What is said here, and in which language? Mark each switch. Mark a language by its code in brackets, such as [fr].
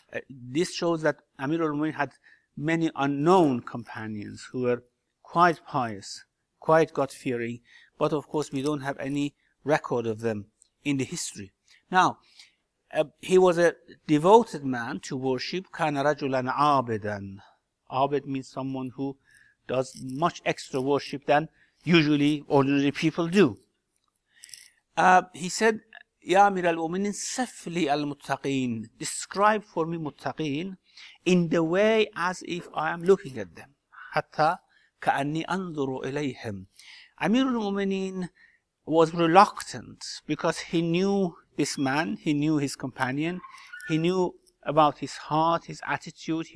[en] This shows that Amir al-Mu'mineen had many unknown companions who were quite pious, quite God-fearing, but of course we don't have any record of them in the history. Now, he was a devoted man to worship. [ar] كان رجلا عابدا. [en] عابد means someone who does much extra worship than usually ordinary people do. He said, [ar] يا أمير المؤمنين صف لي المتقين. [en] Describe for me متقين in the way as if I am looking at them. [ar] حتى كأني أنظر إليهم. [en] أمير المؤمنين was reluctant because he knew this man, he knew his companion, he knew about his heart, his attitude.